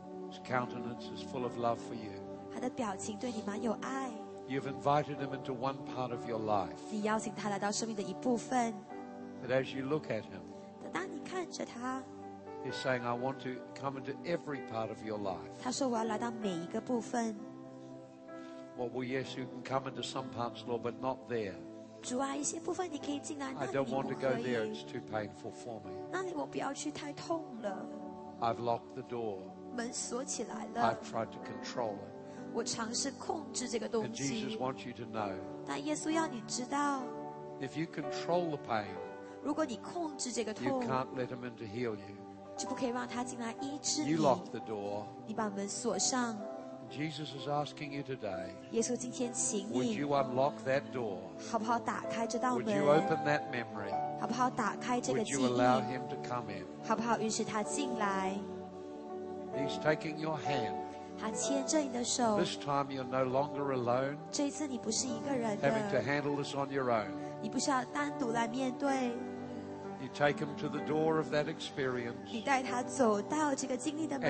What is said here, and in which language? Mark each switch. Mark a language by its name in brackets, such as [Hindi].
[English] His countenance is full of love for you. [Chinese] 他的表情对你蛮有爱。 [English] You've invited him into one part of your life. [Chinese] 你邀请他来到生命的一部分。 [English] But as you look at him, [Chinese] 当你看着他， [English] he's saying, I want to come into every part of your life. [Chinese] 他说我要来到每一个部分。 [English] Well, yes, you can come into some parts, Lord, but not there. [Chinese] 主啊，一些部分你可以进来，那你不可以。 [English] I don't want to go there. It's too painful for me. [Chinese] 那里我不要去，太痛了。 [English] I've locked the door. [Chinese] 门锁起来了。 [English] I've tried to control it. [Chinese] 我尝试控制这个东西。 [English] And Jesus wants you to know. [Chinese] 但耶稣要你知道。 [English] If you control the pain, [Chinese] 如果你控制这个痛， [English] you can't let him in to heal you. [Chinese] 就不可以让他进来医治你。 [English] You lock the door. [Chinese] 你把门锁上。 [English] Jesus is asking you today. [Chinese] 耶稣今天请你。 [English] Would you unlock that door? [Chinese] 好不好打开这道门？ [English] Would you open that memory? [Chinese] 好不好打开这个记忆？ [English] Would you allow him to come in? [Chinese] 好不好允许他进来？ [English] He's taking your hand. [Chinese] 他牵着你的手。 [English] This time you're no longer alone. [Chinese] 这一次你不是一个人了。 [English] Having to handle this on your own. [Chinese] 你不需要单独来面对。 [English] You take him to the door of that experience. [Chinese] 你带他走到这个经历的门。